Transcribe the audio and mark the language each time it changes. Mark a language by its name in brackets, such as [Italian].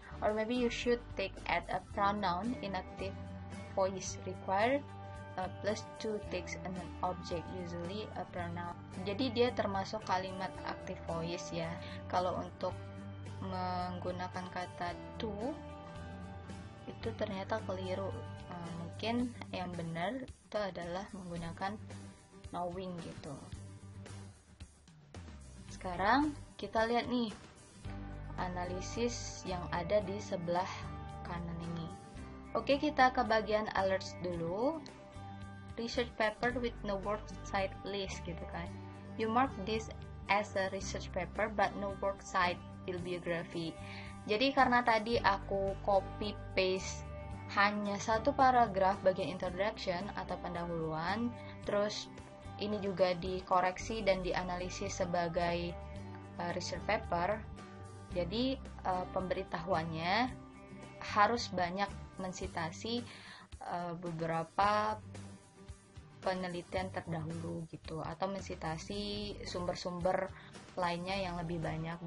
[English] Or maybe you should take at a pronoun in active voice required plus two takes an object, usually a pronoun. [Indonesian] Jadi dia termasuk kalimat active voice ya. Kalau untuk menggunakan kata to itu ternyata keliru. Mungkin yang benar itu adalah menggunakan knowing gitu. Sekarang kita lihat nih analisis yang ada di sebelah kanan ini. Oke, kita ke bagian alerts dulu. [English] Research paper with no works cite list [Indonesian] gitu kan. [English] You mark this as a research paper but no works cite bibliography. [Indonesian] Jadi karena tadi aku copy paste hanya satu paragraf bagian introduction atau pendahuluan, terus ini juga dikoreksi dan dianalisis sebagai research paper. Jadi pemberitahuannya harus banyak mensitasi beberapa penelitian terdahulu gitu, atau mensitasi sumber-sumber lainnya yang lebih banyak.